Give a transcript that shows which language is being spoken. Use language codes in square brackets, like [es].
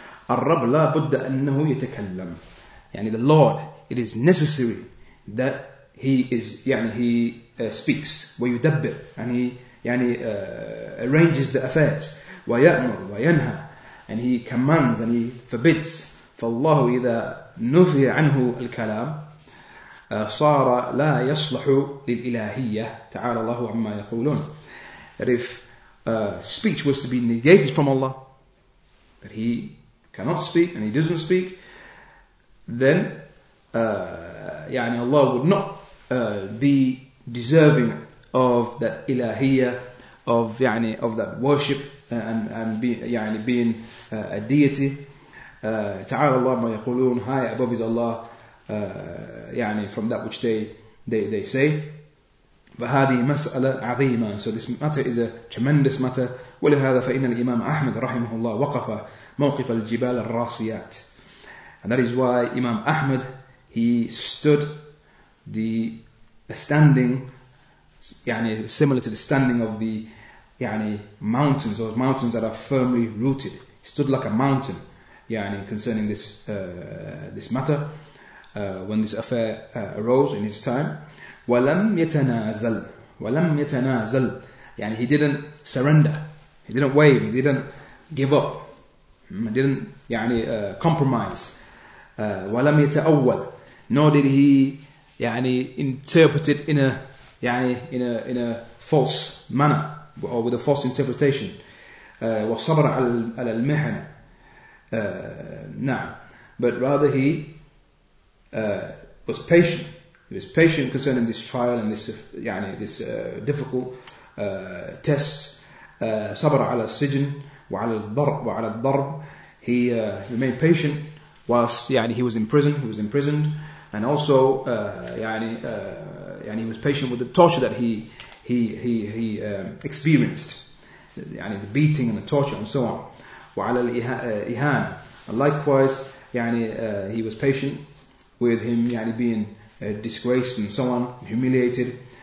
[ar] الرب لا بد أنه يتكلم. [en] يعني the Lord, it is necessary that He is speaks [ar] ويدبر, [en] and He arranges the affairs, [ar] ويأمر وينهى, [en] and He commands and He forbids. [ar] فالله إذا نفي عنه الكلام صار لا يصلح للإلهية تعالى الله عما يقولون. [en] That if speech was to be negated from Allah, that He cannot speak and He doesn't speak, then Allah would not be deserving of that ilahiyya, of that worship, and being a deity. [ar] تعالى الله ما يقولون, [en] high above is Allah, from that which they say. [ar] فهذه مسألة عظيمة. [en] So this matter is a tremendous matter. [ar] ولهذا فإن الإمام أحمد رحمه الله وقف موقف الجبال الراسيات. [en] And that is why Imam Ahmad, he stood the standing, similar to the standing of the mountains, those mountains that are firmly rooted. He stood like a mountain, concerning this this matter, when this affair arose in his time. [ar] ولم يتنازل, [en] he didn't surrender, he didn't waver, he didn't give up, he didn't compromise. [ar] ولم يتأول, [en] nor did he interpret it in a false manner or with a false interpretation. [ar] وصبر على المحن, [en] but rather he was patient. He was patient concerning this trial and this this difficult test. [ar] صبر على السجن وعلى الضرب وعلى الضرب. [en] He remained patient whilst he was in prison. He was imprisoned, and also he was patient with the torture that he experienced, the beating and the torture and so on. [ar] وعلى الإهانة. [en] And likewise, he was patient with him being disgraced and so on, humiliated.